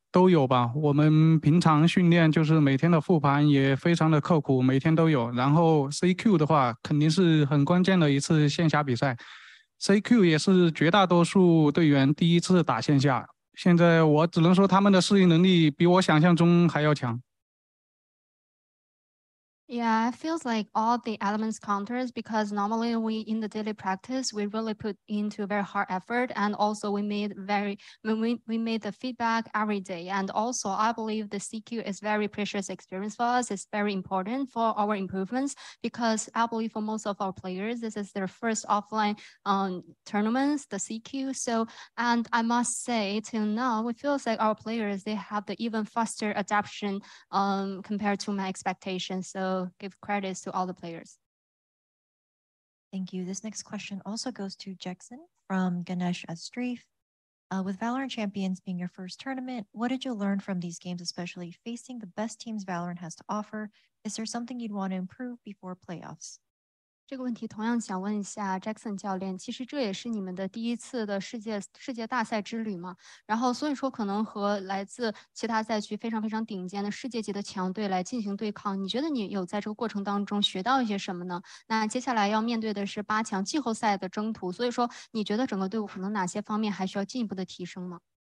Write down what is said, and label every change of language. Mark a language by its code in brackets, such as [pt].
[zh] 都有吧，我们平常训练就是每天的复盘也非常的刻苦，每天都有。然后CQ的话，肯定是很关键的一次线下比赛，CQ也是绝大多数队员第一次打线下。现在我只能说他们的适应能力比我想象中还要强。 [en] Yeah, it feels like all the elements counters because normally we in the daily practice, we really put into a very hard effort and also we made the feedback every day. And also I believe the CQ is very precious experience for us. It's very important for our improvements because I believe for most of our players, this is their first offline tournaments, the CQ. So, and I must say till now, it feels like our players, they have the even faster adaption compared to my expectations. So give credits to all the players. Thank you. This next question also goes to Jexen from Ganesh Astreef. With Valorant Champions being your first tournament, what did you learn from these games, especially facing the best teams Valorant has to offer? Is there something you'd want to improve before playoffs? [zh] 这个问题同样想问一下Jackson教练，其实这也是你们的第一次的世界大赛之旅嘛，然后所以说可能和来自其他赛区非常非常顶尖的世界级的强队来进行对抗，你觉得你有在这个过程当中学到一些什么呢？那接下来要面对的是八强季后赛的征途，所以说你觉得整个队伍可能哪些方面还需要进一步的提升吗？